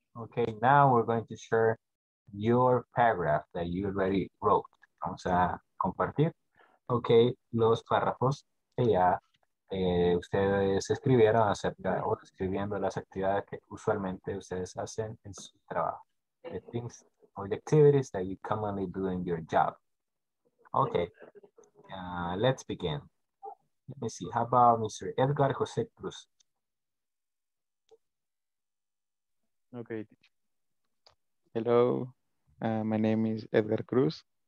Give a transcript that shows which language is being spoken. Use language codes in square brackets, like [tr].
[en] Okay, now we're going to share your paragraph that you already wrote. [es] Vamos a compartir. Okay, los párrafos que ya ustedes escribieron acerca o escribiendo las actividades que usualmente ustedes hacen en su trabajo. [en] The things or the activities that you commonly do in your job. Okay, let's begin. Let me see. How about Mr. Edgar Jose Cruz? Okay. Hello. My name is Edgar Cruz.